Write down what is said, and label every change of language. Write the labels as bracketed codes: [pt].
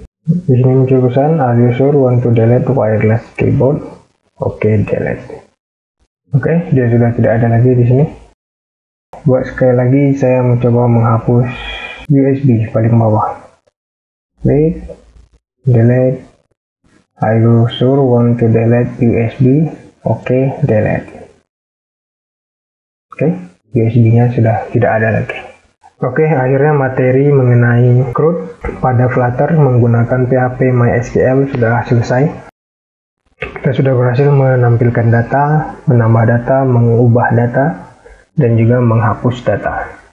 [id] Di sini muncul pesan, [en] are you sure want to delete wireless keyboard? [id] Oke, delete. Oke, dia sudah tidak ada lagi di sini. Buat sekali lagi, saya mencoba menghapus USB paling bawah. [en] Click, delete. Are you sure want to delete USB? [id] Oke, delete. Oke, USB-nya sudah tidak ada lagi. Oke, akhirnya materi mengenai CRUD pada Flutter menggunakan PHP MySQL sudah selesai. Kita sudah berhasil menampilkan data, menambah data, mengubah data, dan juga menghapus data.